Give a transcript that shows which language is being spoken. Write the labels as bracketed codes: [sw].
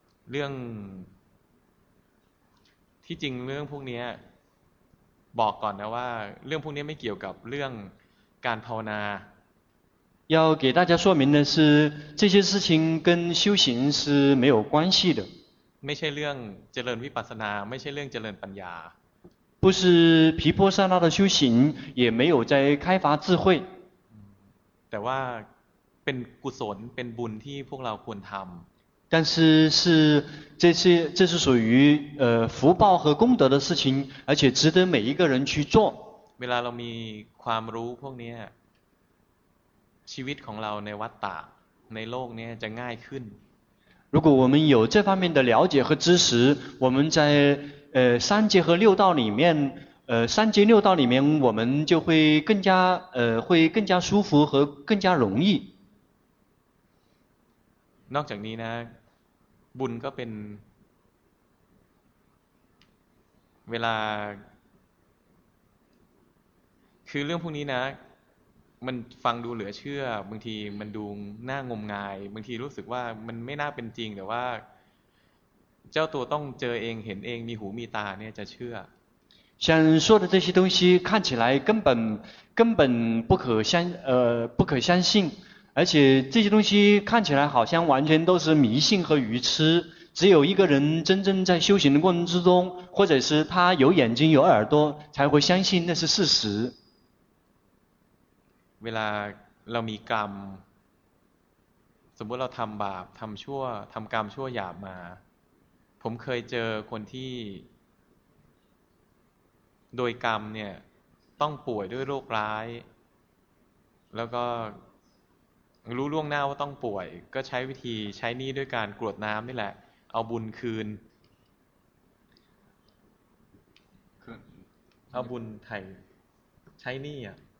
[th] เรื่องที่จริงเรื่องพวกนี้บอกก่อนนะว่าเรื่องพวกนี้ไม่เกี่ยวกับเรื่องการภาวนา [zh] 要给大家说明的是这些事情跟修行是没有关系的 [th] ไม่ใช่เรื่องเจริญวิปัสสนาไม่ใช่เรื่องเจริญปัญญา [zh] 不是毗婆舍那的修行也没有在开发智慧 [th] แต่ว่าเป็นกุศลเป็นบุญที่พวกเราควรทำ [zh] 但是是这是属于福报和功德的事情而且值得每一个人去做 [th] เวลาเรามีความรู้พวกนี้ชีวิตของเราในวัฏฏะในโลกนี้จะง่ายขึ้น [zh] 如果我们有这方面的了解和知识我们在三界和六道里面三界六道里面我们就会更加会更加舒服和更加容易 [th] นอกจากนี้นะบุญก็เป็นเวลาคือเรื่องพวกนี้นะมันฟังดูเหลือเชื่อบางทีมันดูน่างมงายบางทีรู้สึกว่ามันไม่น่าเป็นจริงแต่ว่าเจ้าตัวต้องเจอเองเห็นเองมีหูมีตาเนี่ยจะเชื่อ [zh] 像说的这些东西看起来根本不可相信，而且这些东西看起来好像完全都是迷信和愚痴。只有一个人真正在修行的过程之中，或者是他有眼睛有耳朵，才会相信那是事实。 [th] เวลาเรามีกรรมสมมติเราทำบาปทำชั่วทำกรรมชั่วหยาบมาผมเคยเจอคนที่โดยกรรมเนี่ยต้องป่วยด้วยโรคร้ายแล้วก็รู้ล่วงหน้าว่าต้องป่วยก็ใช้วิธีใช้นี่ด้วยการกรวดน้ำนี่แหละเอาบุญคืนเอาบุญไถ่ใช้นี่อ่ะ